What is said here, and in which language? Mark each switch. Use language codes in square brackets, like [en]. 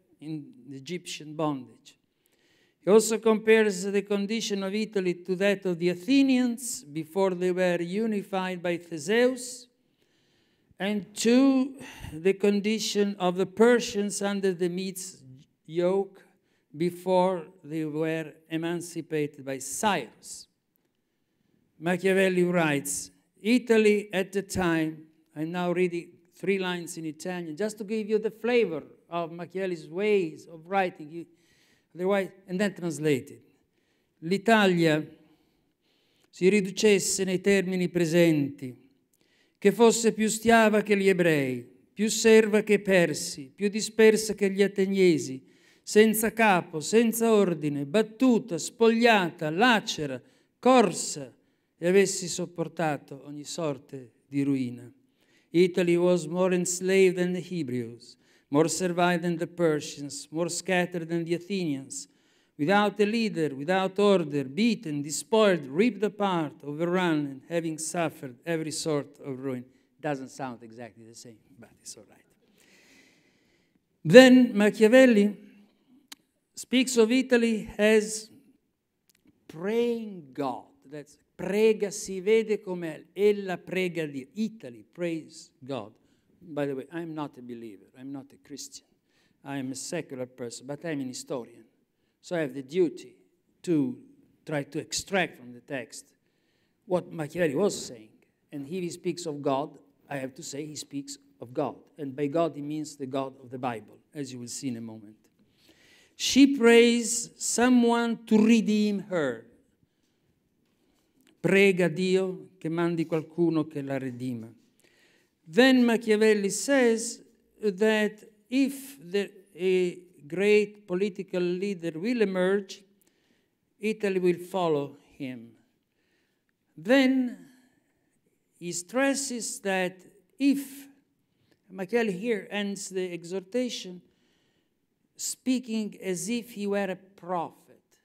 [en] in the Egyptian bondage. He also compares the condition of Italy to that of the Athenians before they were unified by Theseus, and to the condition of the Persians under the Medes' yoke before they were emancipated by Cyrus. Machiavelli writes, Italy at the time, I'm now reading three lines in Italian, just to give you the flavor of Machiavelli's ways of writing, otherwise, and then translated. [it] L'Italia si riducesse nei termini presenti, che fosse più schiava che gli ebrei, più serva che i persi, più dispersa che gli ateniesi, senza capo, senza ordine, battuta, spogliata, lacera, corsa, e avessi sopportato ogni sorte di ruina. [en] Italy was more enslaved than the Hebrews, more servile than the Persians, more scattered than the Athenians, without a leader, without order, beaten, despoiled, ripped apart, overrun, and having suffered every sort of ruin. Doesn't sound exactly the same, but it's all right. Then Machiavelli speaks of Italy as praying God. [it] That's prega, si vede come ella prega di Italy, [en] prays God. By the way, I'm not a believer, I'm not a Christian. I'm a secular person, but I'm an historian. So I have the duty to try to extract from the text what Machiavelli was saying. And if he speaks of God, I have to say he speaks of God. And by God, he means the God of the Bible, as you will see in a moment. She prays someone to redeem her. [it] Prega Dio che mandi qualcuno che la redima. [en] Then Machiavelli says that if a great political leader will emerge, Italy will follow him. Then he stresses that if, Machiavelli here ends the exhortation, speaking as if he were a prophet.